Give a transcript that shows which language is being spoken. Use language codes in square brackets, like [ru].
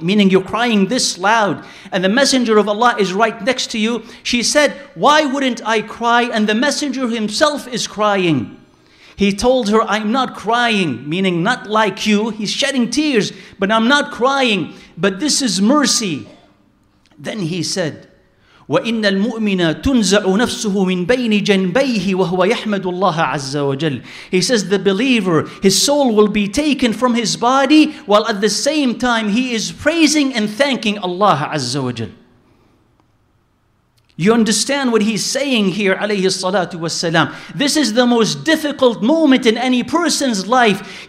[en] Meaning you're crying this loud and the Messenger of Allah is right next to you. She said, why wouldn't I cry and the Messenger himself is crying? He told her, I'm not crying, meaning not like you. He's shedding tears, but I'm not crying. But this is mercy. Then he said, [ar] وَإِنَّ الْمُؤْمِنَ تُنْزَعُ نَفْسُهُ مِنْ بَيْنِ جَنْبَيْهِ وَهُوَ يَحْمَدُ اللَّهَ عَزَّ وَجَلْ. [en] He says, the believer, his soul will be taken from his body while at the same time he is praising and thanking Allah عز وجل. You understand what he's saying here, alayhi salatu wasalam. This is the most difficult moment in any person's life.